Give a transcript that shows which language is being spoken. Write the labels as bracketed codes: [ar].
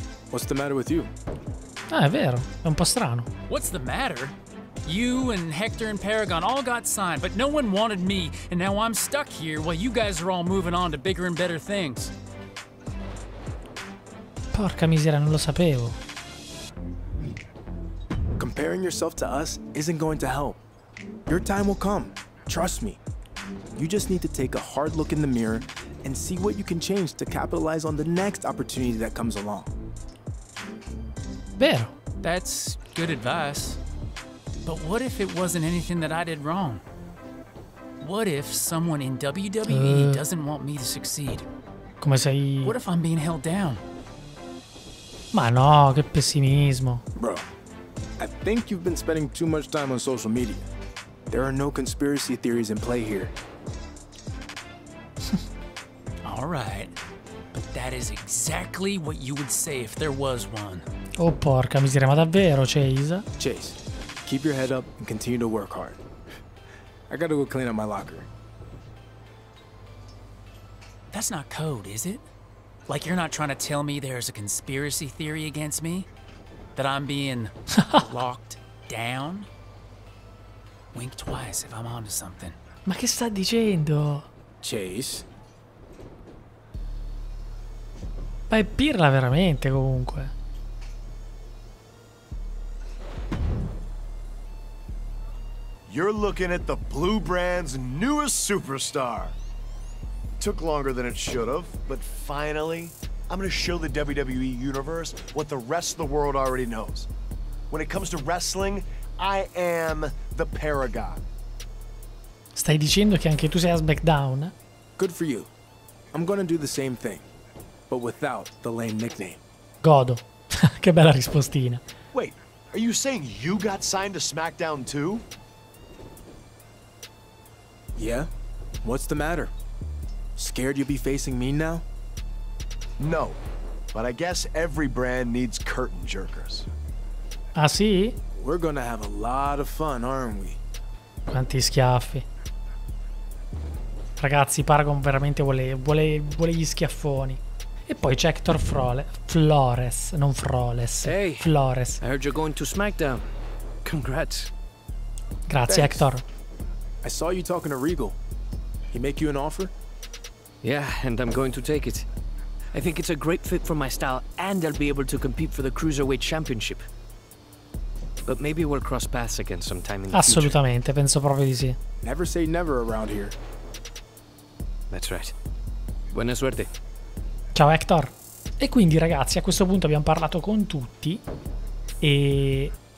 [en] What's the matter with you? [it] Ah, è vero, è un po' strano. [en] What's the matter? You and Hector and Paragon all got signed, but no one wanted me, and now I'm stuck here while you guys are all moving on to bigger and better things. [it] Porca miseria, non lo sapevo. [en] Comparing yourself to us isn't going to help. Your time will come. Trust me. You just need to take a hard look in the mirror and see what you can change to capitalize on the next opportunity that comes along. [it] Vero. [en] That's good advice. But what if it wasn't anything that I did wrong? What if someone in WWE doesn't want me to succeed? [it] Come sei? [en] What if I'm being held down? [it] Ma no, che pessimismo. [en] Bro, I think you've been spending too much time on social media. There are no conspiracy theories in play here. All right, but that is exactly what you would say if there was one. [it] Oh, porca miseria, ma davvero, Chase? [en] Chase, keep your head up and continue to work hard. I gotta go clean up my locker. That's not code, is it? Like you're not trying to tell me there's a conspiracy theory against me? That I'm being locked down? Wink twice if I'm onto something. [it] Ma che sta dicendo? [en] Chase? [it] Ma è pirla veramente, comunque. [en] You're looking at the Blue Brand's newest superstar. Took longer than it should have, but finally, I'm gonna show the WWE Universe what the rest of the world already knows. When it comes to wrestling, I am the Paragon. [it] Stai dicendo che anche tu sei a SmackDown? [en] Good for you. I'm gonna do the same thing. But without the lame nickname. [it] Godo. Che bella rispostina. [en] Wait, are you saying you got signed to SmackDown too? Yeah? What's the matter? Scared you'll be facing me now? No, but I guess every brand needs curtain jerkers. [it] Ah, sì? [en] We're gonna have a lot of fun, aren't we? [it] Quanti schiaffi. Ragazzi, Paragon veramente vuole gli schiaffoni. E poi c'è Hector Flores, non Froles. [en] Hey, Flores. I heard you're going to SmackDown. Congrats. [it] Grazie, [en] thanks. Hector. I saw you talking to Regal. He make you an offer? Yeah, and I'm going to take it. I think it's a great fit for my style, and I'll be able to compete for the Cruiserweight Championship. But maybe we'll cross paths again sometime in the [it] Assolutamente, Penso proprio di sì. [en] Never say never around here. That's right. [es] Buena suerte. [it] Ciao Hector. E quindi ragazzi, a questo punto abbiamo parlato con tutti e...